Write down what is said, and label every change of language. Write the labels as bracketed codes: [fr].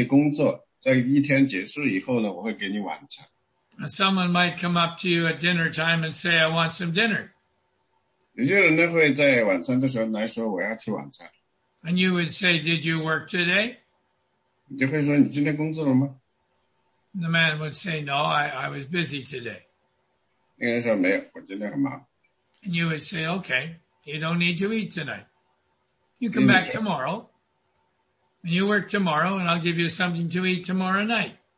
[zh] 因为你这时候,我会遵照这节经文,我给你一些工作,在一天结束以后呢,我会给你晚餐。 [en] Someone might come up to you at dinner time and say, I want some dinner. [zh] 有些人会在晚餐的时候来说,我要吃晚餐。 [en] And you would say, did you work today? [zh] 你就会说,你今天工作了吗? [en] The man would say, no, I was busy today. [zh] 那个人说,没有,我今天很忙。 [en] And you would say, okay, you don't need to eat tonight. You come back tomorrow. And you work tomorrow, and I'll give you something to eat tomorrow night.